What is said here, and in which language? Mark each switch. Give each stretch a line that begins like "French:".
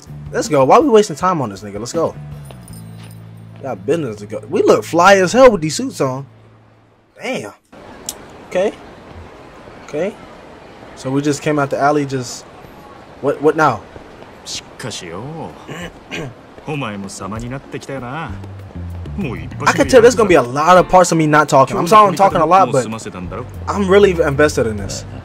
English: Let's go. Why are we wasting time on this nigga? Let's go. Got business to go. We look fly as hell with these suits on. Damn. Okay. So we just came out the alley just... What now?
Japanese: しかしよ、お前も様になってきたよな。
English: I can tell there's gonna be a lot of parts of me not talking. I'm sorry I'm talking a lot, but I'm really invested in this.